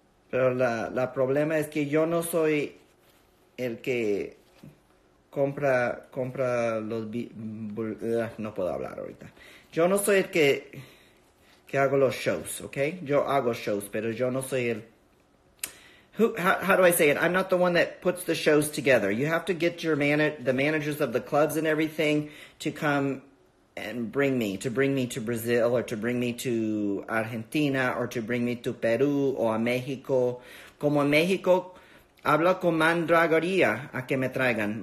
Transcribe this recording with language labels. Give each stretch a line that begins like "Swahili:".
Spanish: Pero la problema es que yo no soy el que compra los... No puedo hablar ahorita. Yo no soy el que hago los shows, okay? Yo hago shows, pero yo no soy el...
English: How do I say it? I'm not the one that puts the shows together. You have to get the managers of the clubs and everything to come and bring me to Brazil or to bring me to Argentina or to bring me to Peru or a Mexico.
Spanish: Como en Mexico, hablo con Mandragoría a que me traigan.